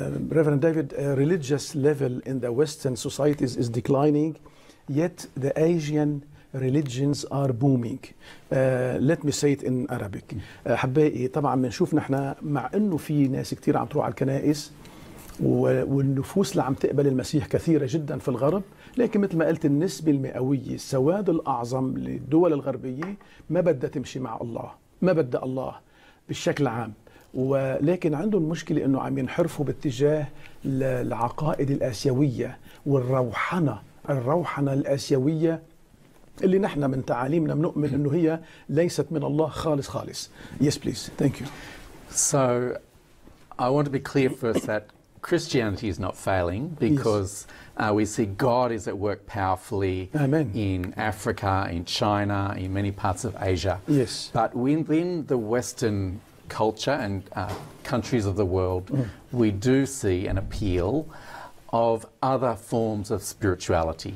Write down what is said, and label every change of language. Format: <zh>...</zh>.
<en>Reverend David, religious level in the Western societies is declining, yet the Asian religions are booming. Let me say it in Arabic.</en> <ar>حبائي طبعا بنشوف نحن مع أنه في ناس كتير عم تروح على الكنائس والنفوس اللي عم تقبل المسيح كثيرة جدا في الغرب، لكن مثل ما قلت النسبة المئوية السواد الأعظم للدول الغربية ما بدها تمشي مع الله، ما بدها الله بالشكل عام، ولكن عندهم مشكلة أنه عم ينحرفوا باتجاه العقائد الآسيوية والروحنة الآسيوية اللي نحن من تعاليمنا بنؤمن انه هي ليست من الله خالص.</ar> <en>Yes please. Thank you. So I want to be clear first that Christianity is not failing because we see God is at work powerfully Amen. In Africa, in China, in many parts of Asia. Yes. But within the Western culture and countries of the world, we do see an appeal of other forms of spirituality.</en>